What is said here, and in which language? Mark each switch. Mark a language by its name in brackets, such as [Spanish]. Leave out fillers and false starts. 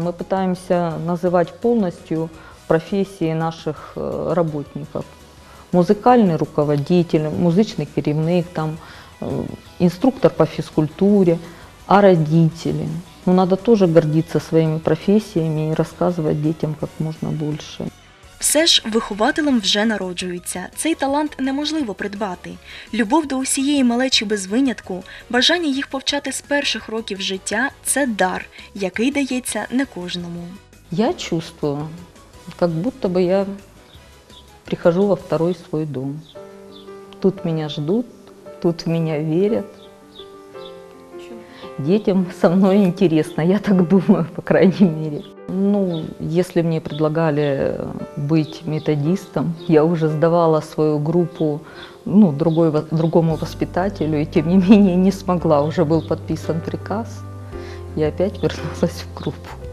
[Russian] Мы пытаемся называть полностью профессии наших работников. Музыкальный руководитель, [Ukrainian] музычный керівник, [Russian] там, инструктор по физкультуре, а родители. Ну, надо тоже гордиться своими профессиями и рассказывать детям как можно больше. [Ukrainian] Все ж, вихователем вже народжуються. Цей талант неможливо придбати. Любов до усієї малечі без винятку, бажання їх повчати з перших років життя – це дар, який дається не кожному. [Russian] Я чувствую, как будто бы я прихожу во второй свой дом. Тут меня ждут, тут в меня верят. Детям со мной интересно, я так думаю, по крайней мере. Ну, если мне предлагали быть методистом, я уже сдавала свою группу, ну, другому воспитателю, и тем не менее не смогла, уже был подписан приказ, и опять вернулась в группу.